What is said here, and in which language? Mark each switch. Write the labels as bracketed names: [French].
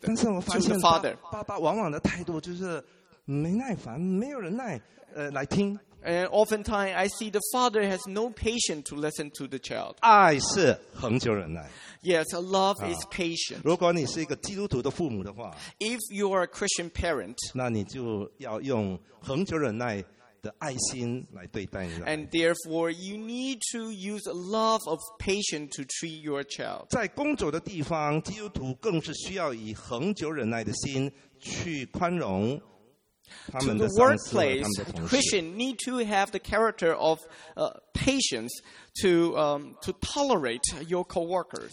[Chinese] 但是我发现爸爸往往的态度就是没耐烦，没有人耐。来听。 [English] And oftentimes I see the father has no patience to listen to the child. [Chinese] 爱是恒久忍耐。 [English] Yes, love is patient. [Chinese] 如果你是一个基督徒的父母的话， [English] If you are a Christian parent, [Chinese] 那你就要用恒久忍耐的爱心来对待你的。 [English] And therefore, you need to use a love of patience to treat your child. [Chinese] 在工作的地方，基督徒更是需要以恒久忍耐的心去宽容。 [English] To the workplace, Christians need to have the character of patience to tolerate your co-workers.